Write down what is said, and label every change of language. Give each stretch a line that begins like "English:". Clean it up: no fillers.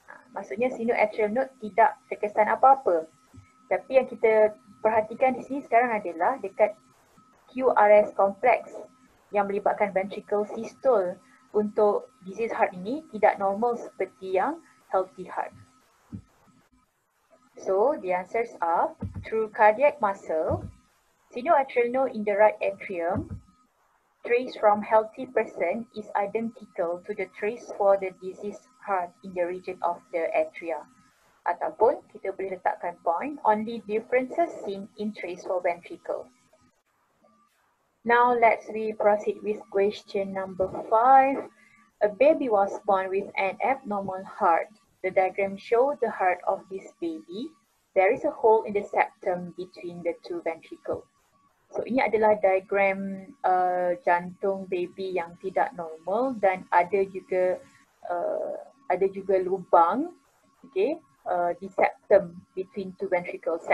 Malay: Maksudnya sinoatrial node tidak terkesan apa-apa. Tapi yang kita perhatikan di sini sekarang adalah dekat QRS complex yang melibatkan ventricle systole untuk
English: disease heart
Malay: ini tidak normal seperti yang
English: healthy heart. So the answers are through cardiac muscle, sinoatrial node in the right atrium, trace from healthy person is identical to the trace for the diseased heart in the region of the atria.
Malay: Ataupun kita boleh letakkan
English: point, only differences seen in trace for ventricle. Now let's proceed with question number 5. A baby was born with an abnormal heart. The diagram shows the heart of this baby. There is a hole in the septum between the two ventricles.
Malay: So ini adalah diagram jantung baby yang tidak normal dan ada juga lubang, okay, di septum
English: between two ventricles.